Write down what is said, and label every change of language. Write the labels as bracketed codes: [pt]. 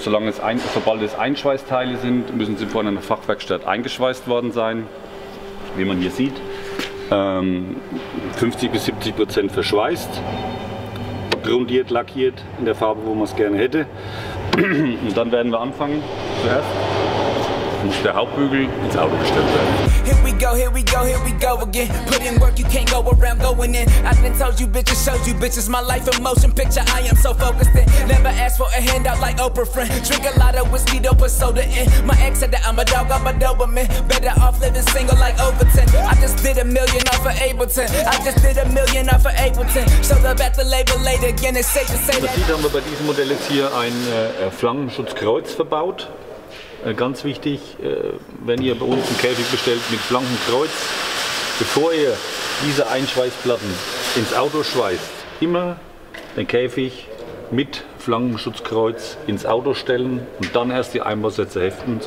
[de] Sobald es Einschweißteile sind, müssen sie vorne in der Fachwerkstatt eingeschweißt worden sein. Wie man hier sieht, 50-70% verschweißt, grundiert, lackiert in der Farbe, wo man es gerne hätte. Und dann werden wir anfangen. Zuerst muss der Hauptbügel ins Auto gestellt werden. [en] here we go, here we go again. Put in work, you can't go around going in. I done told you bitches, showed you bitches my life in motion picture. I am so focused in. Never asked for a handout like Oprah, friend. Drink a lot of whiskey, don't put soda in. My ex said that I'm a dog, I'm a Doberman. Better off living single like Overton. I just did a million off of Ableton. I just did a million off of Ableton. Showed up at the label late again, it's safe to say that. [de] Hier haben wir bei diesem Modell jetzt hier ein Flammenschutzkreuz verbaut. Ganz wichtig, wenn ihr bei uns einen Käfig bestellt mit Flankenkreuz, bevor ihr diese Einschweißplatten ins Auto schweißt, immer den Käfig mit Flankenschutzkreuz ins Auto stellen und dann erst die Einbausätze heften.